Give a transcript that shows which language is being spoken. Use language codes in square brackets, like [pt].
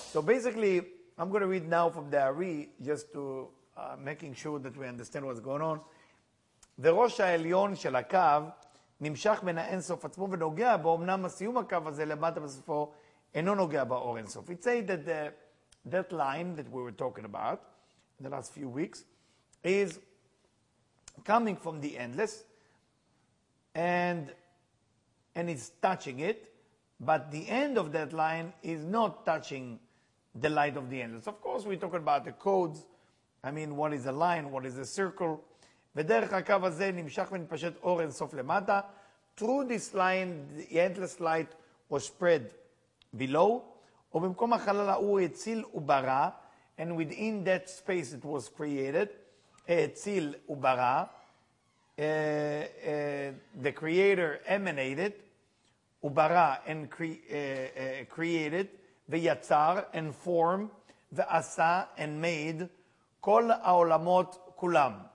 [en] basically, I'm going to read now from the Ari, just to making sure that we understand what's going on. [he] The Rosh HaElyon של הקו נמשך מן האינסוף עצמו ונוגע בו, אמנם הסיום הקו הזה למטה בסופו אינו נוגע באור אינסוף. [en] It says that that line that we were talking about in the last few weeks is coming from the endless and it's touching it, but the end of that line is not touching the light of the endless. Of course, we're talking about the codes. I mean, what is a line? What is a circle? [he] ודרך הקו הזה נמשך ונפשט אור אינסוף למטה. [en] Through this line, the endless light was spread below. [he] ובמקום החלל ההוא הציל וברא. [en] And within that space it was created. [he] הציל וברא. [en] The creator emanated. וברא and created. ויצר and form. [he] ועשה [en] and made. [he] כל העולמות כולם.